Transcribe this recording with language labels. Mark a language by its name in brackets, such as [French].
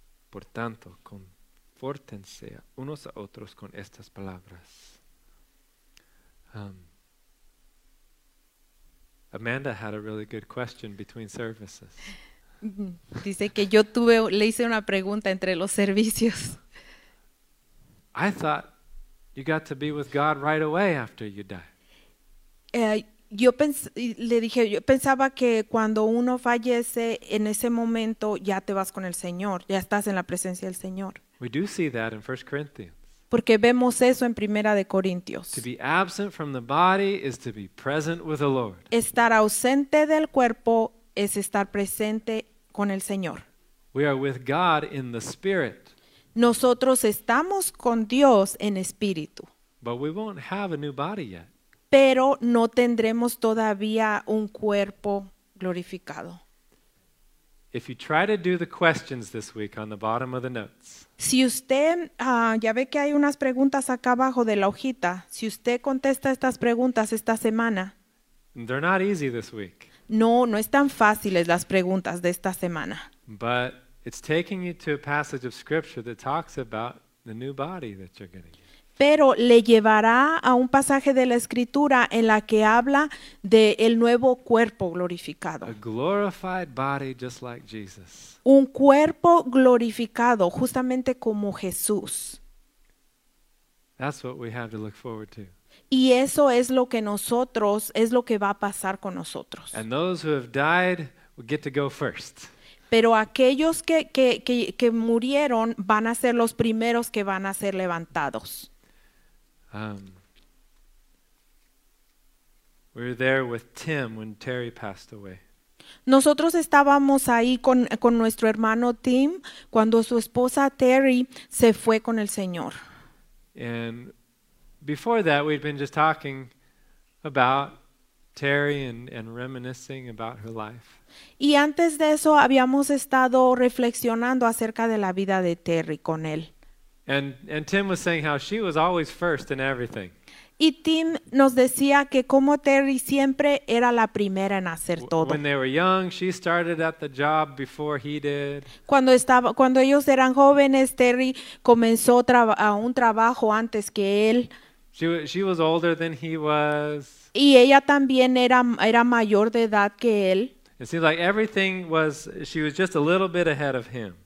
[Spanish] Por tanto, confórtense unos a otros con estas palabras. [English] Amanda had a really good question between services. [Spanish] Dice que yo tuve, le hice una pregunta entre los servicios. [English] I thought you got to be with God right away after you die. [Spanish] Yo pensaba que cuando uno fallece, en ese momento ya te vas con el Señor, ya estás en la presencia del Señor. [English] We do see that in 1 Corinthians. [Spanish] Porque vemos eso en Primera de Corintios. [English] To be absent from the body is to be present with the Lord. [Spanish] Estar ausente del cuerpo es estar presente con el Señor. [English] We are with God in the Spirit. [Spanish] Nosotros estamos con Dios en espíritu. [English] But we won't have a new body yet. [Spanish] Pero no tendremos todavía un cuerpo glorificado. [English] If you try to do the questions this week on the bottom of the notes. [Spanish] Si usted, ya ve que hay unas preguntas acá abajo de la hojita. Si usted contesta estas preguntas esta semana. [English] They're not easy this week. [Spanish] No están fáciles las preguntas de esta semana. [English] But it's taking you to a passage of scripture that talks about the new body that you're going to get. [Spanish] pero le llevará a un pasaje de la Escritura en la que habla de el nuevo cuerpo glorificado. [English] A glorified body just like Jesus. [Spanish] Un cuerpo glorificado, justamente como Jesús. [English] That's what we have to look forward to. [Spanish] Y eso es lo que nosotros, es lo que va a pasar con nosotros. [English] And those who have died will get to go first. [Spanish] Pero aquellos que murieron van a ser los primeros que van a ser levantados. [English] We were there with Tim when Terry passed away. [Spanish] Nosotros estábamos ahí con nuestro hermano Tim cuando su esposa Terry se fue con el Señor. [English] And before that, we'd been just talking about Terry and reminiscing about her life. [Spanish] Y antes de eso, habíamos estado reflexionando acerca de la vida de Terry con él. [English] And Tim was saying how she was always first in everything. [Spanish] Y Tim nos decía que como Terry siempre era la primera en hacer todo. [English] When they were young, she started at the job before he did. [Spanish] Cuando ellos eran jóvenes, Terry comenzó un trabajo antes que él. [English] She was older than he was. [Spanish] Y ella también era mayor de edad que él. [English] It seemed like everything was, she was just a little bit ahead of him.